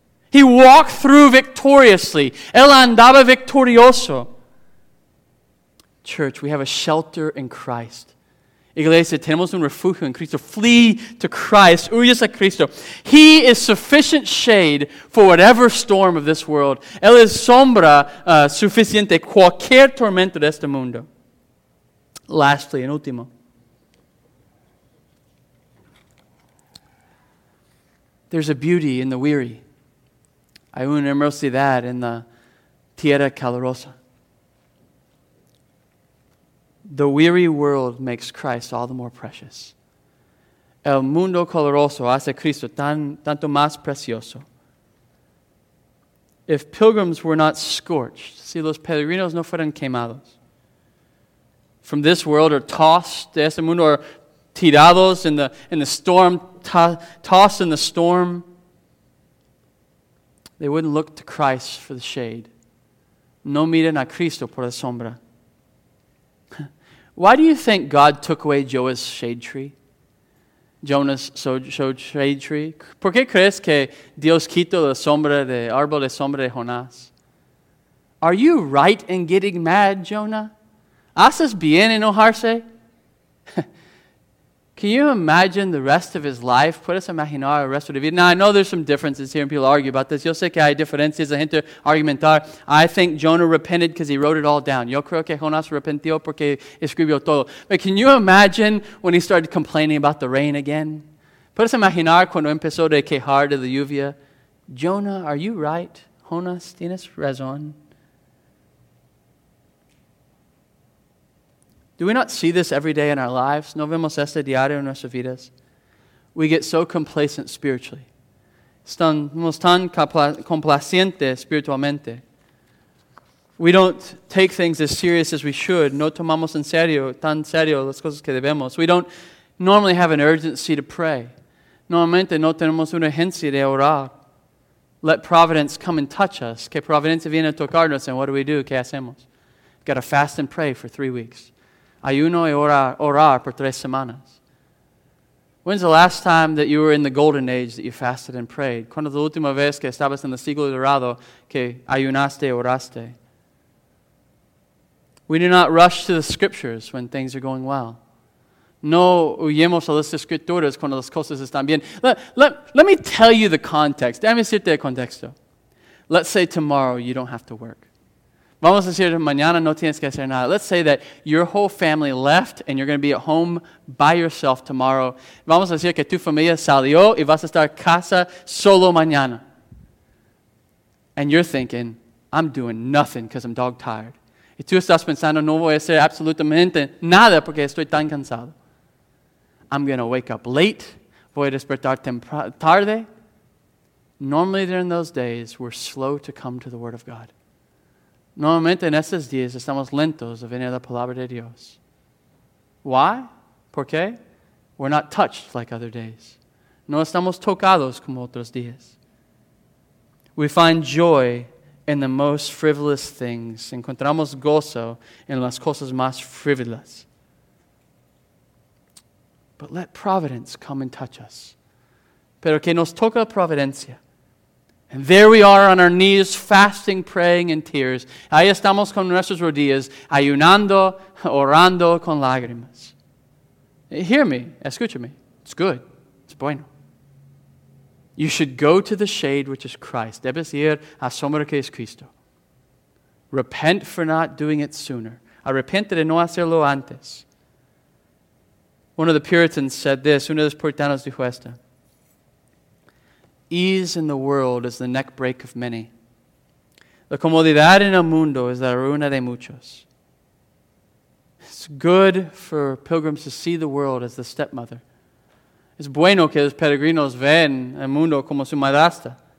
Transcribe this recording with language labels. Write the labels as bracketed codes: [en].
[en] He walked through victoriously. [es] Él andaba victorioso. [en] Church, we have a shelter in Christ. [es] Iglesia, tenemos un refugio en Cristo. [en] Flee to Christ. [es] Huyes a Cristo. [en] He is sufficient shade for whatever storm of this world. [es] Él es sombra suficiente cualquier tormento de este mundo. [en] Lastly, [es] en último. [en] there's a beauty in the weary. [es] Hay un hermosidad en la tierra calurosa. [en] The weary world makes Christ all the more precious. [es] El mundo caluroso hace Cristo tanto más precioso. [en] If pilgrims were not scorched, [es] si los peregrinos no fueran quemados, [en] from this world or tossed [es] de ese mundo [en] or [es] tirados [en] in the storm, they wouldn't look to Christ for the shade. [es] No miren a Cristo por la sombra. [en] Why do you think God took away Jonah's shade tree? [es] ¿Por qué crees que Dios quitó la sombra de árbol de sombra de Jonás? [en] Are you right in getting mad, Jonah? [es] ¿Haces bien enojarse? [en] Can you imagine the rest of his life? [es] ¿Puedes imaginar el resto de vida? [en] Now, I know there's some differences here, and people argue about this. [es] Yo sé que hay diferencias, la gente argumentar. [en] I think Jonah repented because he wrote it all down. [es] Yo creo que Jonás arrepintió porque escribió todo. [en] But can you imagine when he started complaining about the rain again? [es] ¿Puedes imaginar cuando empezó de quejar de la lluvia? [en] Jonah, are you right? [es] Jonás, tienes razón. [en] Do we not see this every day in our lives? [es] ¿No vemos este diario en nuestras vidas? [en] We get so complacent spiritually. [es] Estamos tan complacientes espiritualmente. [en] We don't take things as serious as we should. [es] No tomamos en serio, tan serio las cosas que debemos. [en] We don't normally have an urgency to pray. [es] Normalmente no tenemos una urgencia de orar. [en] Let providence come and touch us. [es] Que providencia viene a tocarnos, [en] and what do? [es] ¿Qué hacemos? [en] Got to fast and pray for 3 weeks. [es] Ayuno y orar por 3 semanas. [en] When's the last time that you were in the golden age that you fasted and prayed? [es] ¿Cuándo la última vez que estabas en el siglo dorado que ayunaste y oraste? [en] We do not rush to the scriptures when things are going well. [es] No huyemos a las escrituras cuando las cosas están bien. [en] Let me tell you the context. [es] Déjame decirte el contexto. [en] Let's say tomorrow you don't have to work. [es] Vamos a decir, mañana no tienes que hacer nada. [en] Let's say that your whole family left and you're going to be at home by yourself tomorrow. [es] Vamos a decir que tu familia salió y vas a estar en casa solo mañana. [en] And you're thinking, I'm doing nothing because I'm dog tired. [es] Y tú estás pensando, no voy a hacer absolutamente nada porque estoy tan cansado. [en] I'm going to wake up late. [es] Voy a despertar tarde. [en] Normally during those days, we're slow to come to the Word of God. [es] Normalmente en estos días estamos lentos a venir a la palabra de Dios. [en] Why? [es] ¿Por qué? [en] We're not touched like other days. [es] No estamos tocados como otros días. [en] We find joy in the most frivolous things. [es] Encontramos gozo en las cosas más frívolas. [en] But let providence come and touch us. [es] Pero que nos toca providencia. [en] And there we are on our knees, fasting, praying, and tears. [es] Ahí estamos con nuestras rodillas, ayunando, orando con lágrimas. [en] Hear me, [es] escúchame. [en] It's good. It's bueno. You should go to the shade which is Christ. [es] Debes ir a sombra que es Cristo. [en] Repent for not doing it sooner. [es] Arrepente de no hacerlo antes. [en] One of the Puritans said this, [es] uno de los puritanos dijo esto. [en] Ease in the world is the neck break of many. [es] La comodidad en el mundo es la ruina de muchos. [en] It's good for pilgrims to see the world as the stepmother. [es] Es bueno que los peregrinos ven el mundo como su madrastra.